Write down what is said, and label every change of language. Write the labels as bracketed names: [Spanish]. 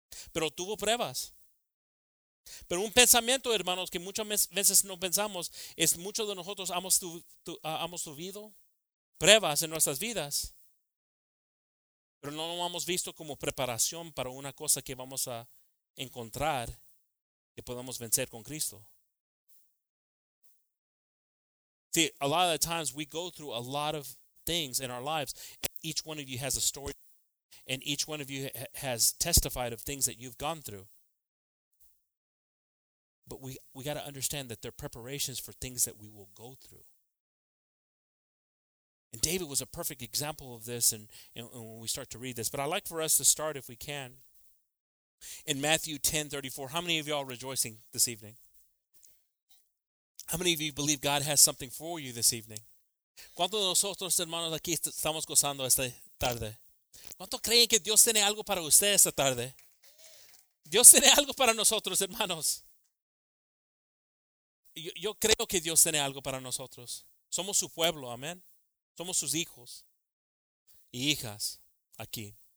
[Spanish] Pero tuvo pruebas. Pero un pensamiento, hermanos, que muchas veces no pensamos, es muchos de nosotros hemos tenido pruebas en nuestras vidas, pero no lo hemos visto como preparación para una cosa que vamos a encontrar que podamos vencer con Cristo. [English] See, a lot of the times we go through a lot of things in our lives. Each one of you has a story, and each one of you has testified of things that you've gone through. But we got to understand that they're preparations for things that we will go through. And David was a perfect example of this, and when we start to read this. But I'd like for us to start, if we can, in Matthew 10:34. How many of y'all rejoicing this evening? How many of you believe God has something for you this evening? [Spanish] ¿Cuántos de nosotros, hermanos, aquí estamos gozando esta tarde? ¿Cuántos creen que Dios tiene algo para ustedes esta tarde? Dios tiene algo para nosotros, hermanos. Yo creo que Dios tiene algo para nosotros. Somos su pueblo, amén. Somos sus hijos y hijas aquí.